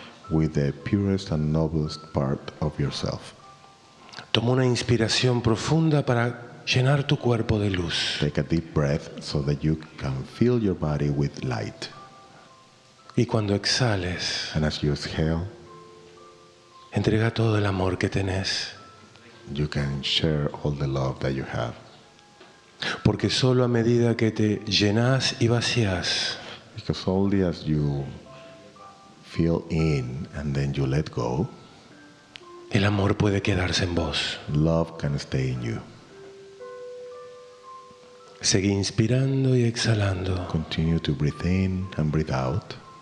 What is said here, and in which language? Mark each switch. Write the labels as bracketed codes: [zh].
[en] With the purest and noblest part of yourself. [es] Toma una inspiración profunda para llenar tu cuerpo de luz. [en] Take a deep breath so that you can fill your body with light. [es] Y cuando exhales, [en] and as you exhale, [es] entrega todo el amor que tenés. [en] You can share all the love that you have. [es] Porque solo a medida que te llenas y vacías, [en] because only as you fill in and then you let go, [es] el amor puede quedarse en vos. [en] Love can stay in you. [es] Seguí inspirando y exhalando. [en] Continue to breathe in and breathe out.